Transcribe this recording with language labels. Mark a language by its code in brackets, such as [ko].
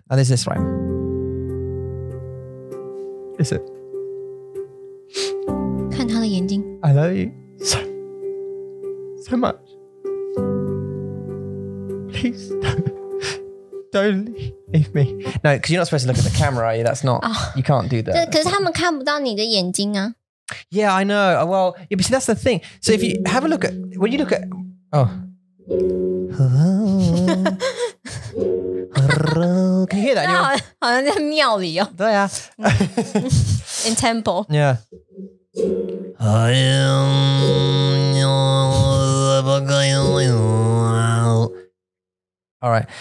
[en] And there's this rhyme. Is it? [zh] 看他的眼睛。 [en] I love you so much. Please don't leave me. No, because you're not supposed to look at the camera, are you? That's not, you can't do that. [zh] 可是他们看不到你的眼睛啊。 [en] Yeah, I know. Well, yeah, but see, that's the thing. So if you have a look at, when you look at, can you hear that? [zh] 好像在庙里哦。对啊。 [en] In temple. Yeah. [zh] 哎呀，怎么可以呢？ [en] All right.